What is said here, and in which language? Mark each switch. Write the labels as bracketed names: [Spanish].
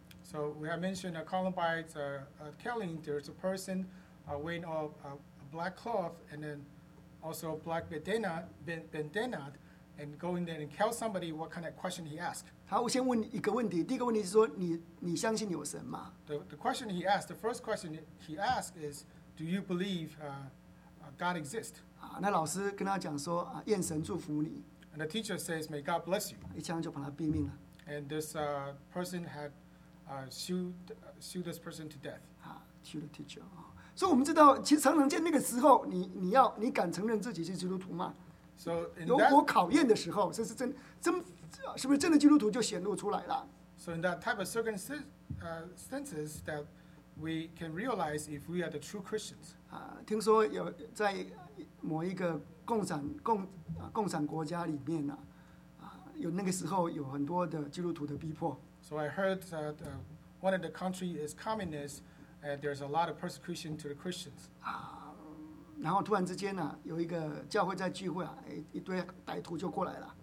[English] ？So we have mentioned a Columbine's killing. There's a person. Wearing a black cloth and then also a black bandana and going there and tell somebody what kind of question he asked. [Chinese] 好，我先问一个问题。第一个问题是说，你相信有神吗 [English] ？The question he asked, the first question he asked is, "Do you believe God exists?" [Chinese] 啊，那老师跟他讲说，啊，愿神祝福你。 [English] And the teacher says, "May God bless you." [Chinese] 一枪就把他毙命了。 [English] And this person had shoot this person to death. 啊 ，shoot the teacher. [Chinese] 所以我们知道，其实常常在那个时候，你敢承认自己是基督徒吗？ [English] So、that, [Chinese] 有火考验的时候，这是真，是不是真的基督徒就显露出来了 [English] ？So in that type of circumstances that we can realize if we are the true Christians. [Chinese] 听说有在某一个共产国家里面呢、有那个时候有很多的基督徒的逼迫。 [English] So I heard that one of the country is communist. And there's a lot of persecution to the Christians. [Chinese] 然后突然之间呢、啊，有一个教会在聚会啊，一堆歹徒就过来了。